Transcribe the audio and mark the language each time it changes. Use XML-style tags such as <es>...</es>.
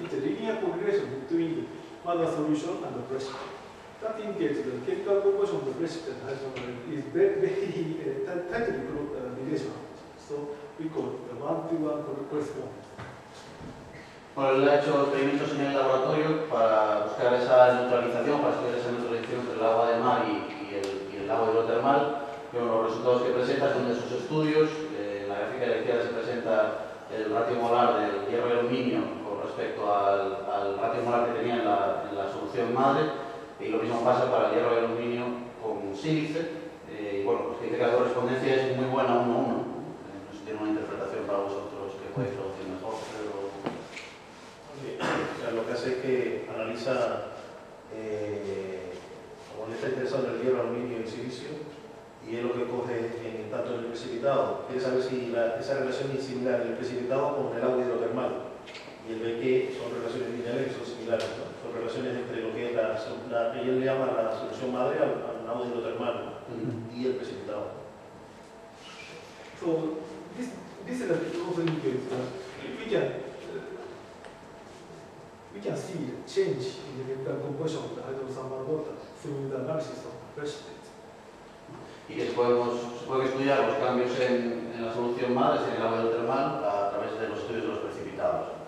<en>It's a linear correlation between the water solution and the precipitate. That indicates the chemical proportion of the precipitate hydrothermal is very tightly relational. So we call it the one-to-one correspondence.</en> <es>Bueno, él ha hecho experimentos en el laboratorio para buscar esa neutralización, para estudiar esa neutralización entre el agua de mar y el agua hidrotermal. Pero los resultados que presenta son de sus estudios. En la gráfica de la izquierda se presenta el ratio molar del hierro y aluminio con respecto al ratio molar que tenía en la solución madre. Y lo mismo pasa para el hierro y aluminio con sílice. Y bueno, pues dice que la correspondencia es muy buena 1-1. No sé si tiene una interpretación para vosotros que podéis traducir mejor. O sea, lo que hace es que analiza, como le está interesando el hierro, aluminio y el silicio, y es lo que coge en el tanto del precipitado. Quiere saber si esa relación es similar en el precipitado con el agua hidrotermal. Y él ve que son relaciones lineales que son similares, ¿no? Son relaciones entre lo que es la que él le llama la solución madre al agua hidrotermal y el precipitado.</es> <en>So, this is also indicating that we can see a change in the chemical composition of the hydrothermal water through the analysis of the precipitate.</en> <es>Y que se puede estudiar los cambios en la solución madre, en el agua hidrotermal, a través de los estudios de los precipitados.</es>